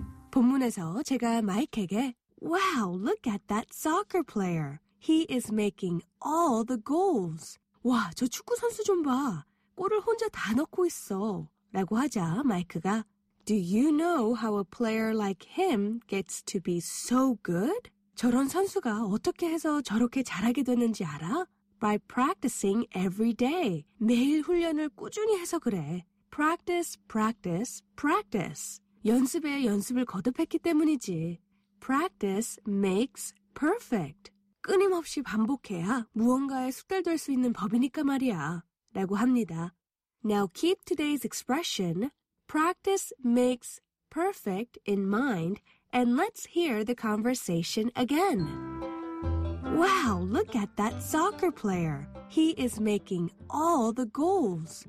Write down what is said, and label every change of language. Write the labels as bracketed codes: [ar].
[ko] 본문에서 제가 마이크에게 [en] Wow, look at that soccer player. He is making all the goals. [ko] 와, 저 축구 선수 좀 봐. 골을 혼자 다 넣고 있어. 라고 하자 마이크가 [en] Do you know how a player like him gets to be so good? [ko] 저런 선수가 어떻게 해서 저렇게 잘하게 되는지 알아? [en] By practicing every day. [ko] 매일 훈련을 꾸준히 해서 그래. [en] Practice, practice, practice. [ko] 연습에 연습을 거듭했기 때문이지. [en] Practice makes perfect. [ko] 끊임없이 반복해야 무언가에 숙달될 수 있는 법이니까 말이야. 라고 합니다. [en] Now keep today's expression, practice makes perfect in mind, and let's hear the conversation again. Wow, look at that soccer player. He is making all the goals.